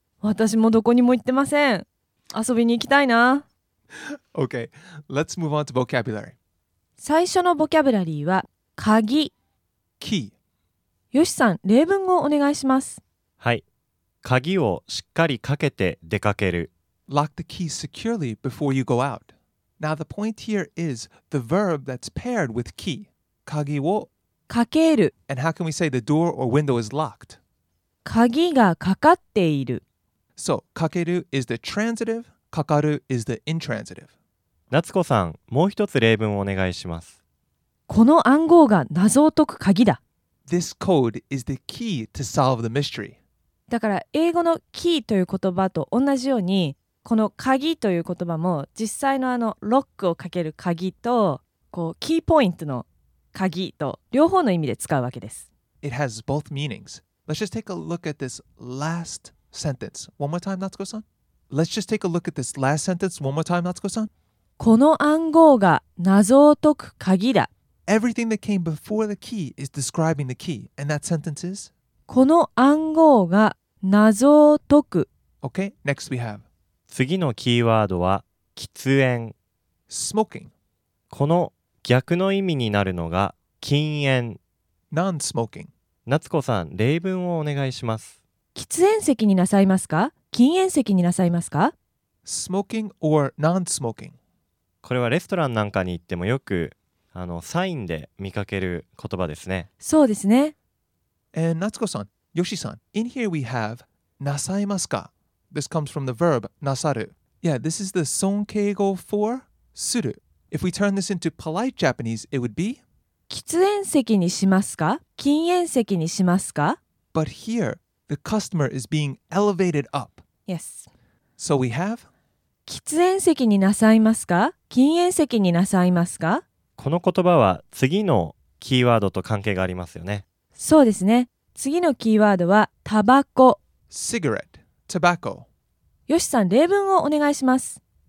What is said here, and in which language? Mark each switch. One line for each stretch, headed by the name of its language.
Japanese: 私もどこにも行ってません。遊びに行きたいな。
English: Okay, let's move on to vocabulary.
Japanese: 最初のボキャブラリーは、鍵。
English: Key.
Japanese: ヨシさん、例文をお願いします。はい。鍵をしっかりかけて出かける。
English: Lock the key securely before you go out. Now the point here is the verb that's paired with key.
Japanese: 鍵をかける。
English: And how can we say the door or window is locked?
Japanese: 鍵がかかっている。
English: So, かける is the transitive, かかる is the intransitive.
Japanese: 夏子さん、もう一つ例文をお願いします。この暗号が謎を解く鍵だ。
English: This code is the key to solve the mystery.
Japanese: だから英語のキーという言葉と同じように、この鍵という言葉も実際のロックをかける鍵と、こうキーポイントの鍵と両方の意味で使うわけです。
English: It has both meanings. Let's just take a look at this last sentence. One more time, Natsuko-san. Let's just take a look at this last sentence one more time, Natsuko-san.
Japanese: この暗号が謎を解く鍵だ。
English: Everything that came before the key is describing the key. And that sentence is?
Japanese: この暗号が謎を解く。
English: Okay, next we have.
Japanese: 次のキーワードは喫煙。
English: Smoking.
Japanese: この逆の意味になるのが禁煙。
English: Non-smoking.
Japanese: Natsuko-san, 例文をお願いします。喫煙席になさいますか?禁煙席になさいますか?
English: Smoking or non-smoking?
Japanese: これはレストランなんかに行ってもよくサインで見かける言葉ですね。そうですね。
English: And Natsuko-san, Yoshi-san, in here we have なさいますか? This comes from the verb なさる。Yeah, this is the 尊敬語 for する。 If we turn this into polite Japanese, it would be
Japanese: 喫煙席にしますか?禁煙席にしますか?
English: But here,The customer is being elevated up. Yes. So we have?
Japanese: 喫煙席になさいますか?禁煙席になさいますか? この言葉は次のキーワードと関係がありますよね。そうですね。次のキーワードはタバコ。
English: Cigarette. Tobacco.
Japanese: ヨシさん、例文をお願いします。